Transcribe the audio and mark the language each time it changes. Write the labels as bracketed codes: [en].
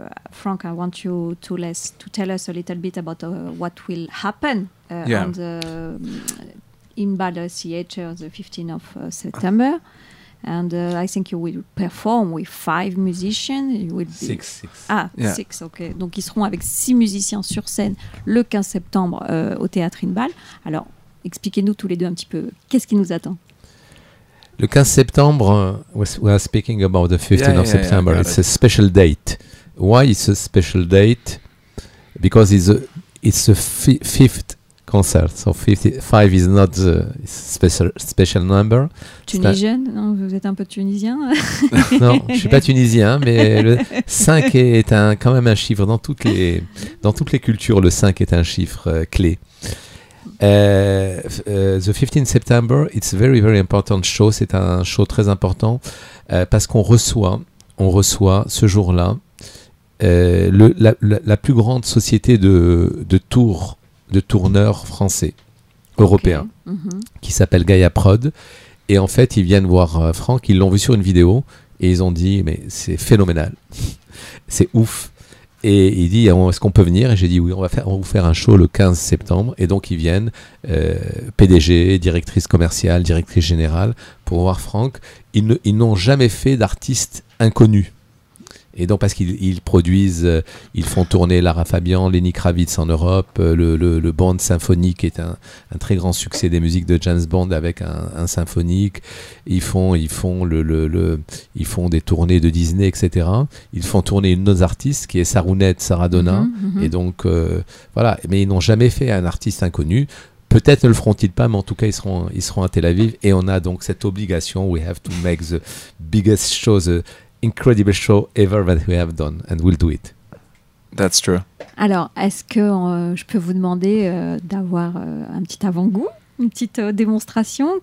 [en] Frank, I want you to tell us a little bit about what will happen on the Inbal Theater the 15th of September. And I think you will perform with 5 musicians. Six. Okay. [fr] Donc ils seront avec 6 musiciens sur scène le 15 septembre au théâtre Inbal. Alors, expliquez-nous tous les deux un petit peu, qu'est-ce qui nous attend? Le 15 septembre, [en] we are speaking about the 15th of September, it's a special date. Why it's a special date? Because it's a fifth concert, so 55 is not a special number. [fr] Tunisien, non, vous êtes un peu tunisien. Non, je ne suis pas tunisien, mais le 5 est quand même un chiffre, dans toutes les cultures, le 5 est un chiffre clé. [en] The 15th September, it's a very, very important show. [fr] C'est un show très important parce qu'on reçoit ce jour-là la plus grande société de tourneurs français, européens, qui s'appelle Gaia Prod. Et en fait, ils viennent voir Franck, ils l'ont vu sur une vidéo et ils ont dit, mais c'est phénoménal, c'est ouf. Et il dit, est-ce qu'on peut venir? Et j'ai dit, oui, on va vous faire un show le 15 septembre. Et donc, ils viennent, PDG, directrice commerciale, directrice générale, pour voir Franck. Ils n'ont jamais fait d'artiste inconnu. Et donc parce qu'ils produisent, ils font tourner Lara Fabian, Lenny Kravitz en Europe, le Bond symphonique est un très grand succès des musiques de James Bond avec un symphonique. Ils font des tournées de Disney, etc. Ils font tourner une autre artiste qui est Sarounette Saradona. Mmh, mmh. Et donc voilà. Mais ils n'ont jamais fait un artiste inconnu. Peut-être ne le feront-ils pas, mais en tout cas, ils seront à Tel Aviv. Et on a donc cette obligation, [en] we have to make the biggest show, the incredible show ever that we have done, and we'll do it. That's true. [fr] Alors, est-ce que je peux vous demander d'avoir un petit avant-goût, une petite démonstration?